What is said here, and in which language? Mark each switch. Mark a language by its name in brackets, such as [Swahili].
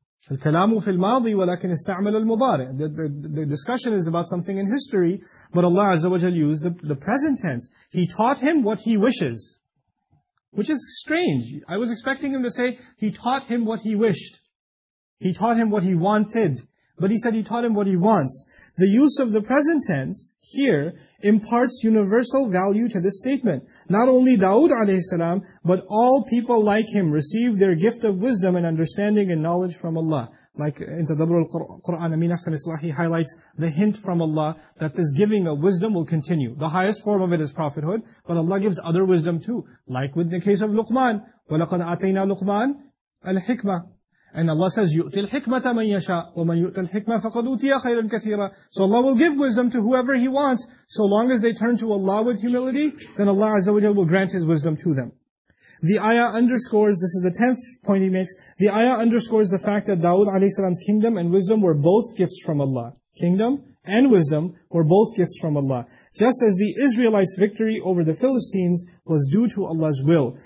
[Arabic] الكلام في الماضي ولكن استعمل المضارع. [English] The discussion is about something in history, but Allah Azza wa Jal used the present tense. He taught him what he wishes. Which is strange. I was expecting him to say, he taught him what he wished. He taught him what he wanted. But he said he taught him what he wants. The use of the present tense here imparts universal value to this statement. Not only Dawood alayhi salam, but all people like him receive their gift of wisdom and understanding and knowledge from Allah. Like in Tadabbur al-Qur'an, Amin Ahsan Islah, he highlights the hint from Allah that this giving of wisdom will continue. The highest form of it is prophethood, but Allah gives other wisdom too. Like with the case of Luqman. [Arabic] وَلَقَدْ أَتَيْنَا لُقْمَانَ الْحِكْمَةَ. [English] And Allah says, [Arabic] يُؤْتِ الْحِكْمَةَ مَنْ يَشَاءُ وَمَنْ يُؤْتَ الْحِكْمَةَ فَقَدْ أُوتِيَ خَيْرًا كَثِيرًا. [English] So Allah will give wisdom to whoever He wants, so long as they turn to Allah with humility, then Allah Azza wa Jalla will grant His wisdom to them. The ayah underscores, this is the 10th point he makes, the ayah underscores the fact that Dawood alayhi salam's kingdom and wisdom were both gifts from Allah. Kingdom and wisdom were both gifts from Allah. Just as the Israelites' victory over the Philistines was due to Allah's will.